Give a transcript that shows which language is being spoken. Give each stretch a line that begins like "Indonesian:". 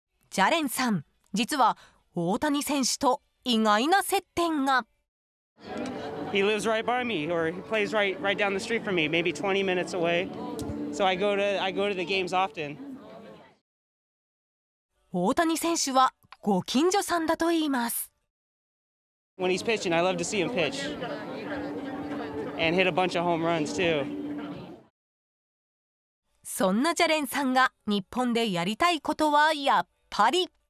Japanese: ジャレンさん、実は大谷選手と意外な接点が。
English: He lives right by me, or he plays right down the street from me, maybe 20 minutes away. So I go to the games often.
Japanese: 大谷選手はご近所さんだと言います。
English: When he's pitching, I love to see him pitch. And hit a bunch of home runs too.
Japanese: そんなジャレンさんが日本でやりたいことはやっぱり